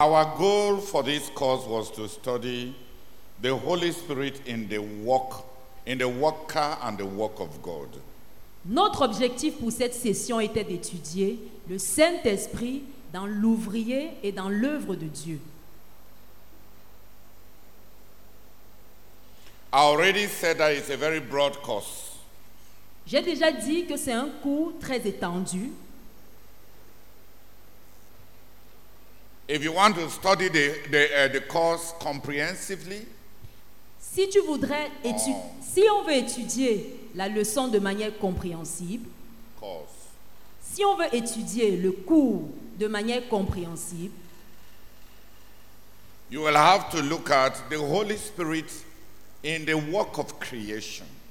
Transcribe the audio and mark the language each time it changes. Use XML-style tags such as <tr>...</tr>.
<en>Our goal for this course was to study the Holy Spirit in the work, in the worker and the work of God.</en> <fr>Notre objectif pour cette session était d'étudier le Saint-Esprit dans l'ouvrier et dans l'œuvre de Dieu.</fr> <en>I already said that it's a very broad course.</en> <fr>J'ai déjà dit que c'est un cours très étendu.</fr> <en>If you want to study the course comprehensively,</en> <fr>si tu voudrais si on veut étudier la leçon de manière compréhensible,</fr> <en>course.</en> <fr>Si on veut étudier le cours de manière compréhensible,</fr> <en>you will have to look at the Holy Spirit in the work of creation.</en>